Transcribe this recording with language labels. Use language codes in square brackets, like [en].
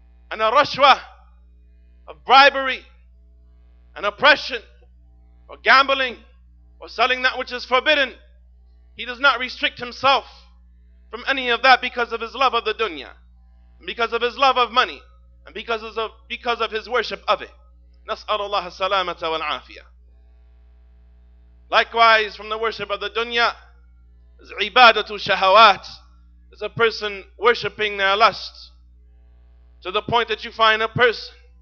[en] and a rashwa of bribery and oppression or gambling or selling that which is forbidden, he does not restrict himself from any of that because of his love of the dunya, and because of his love of money, and because of his worship of it. [ar] نسأل الله السلامة والعافية. [en] Likewise, from the worship of the dunya, is ibadatu shahawat, is a person worshipping their lusts to the point that you find a person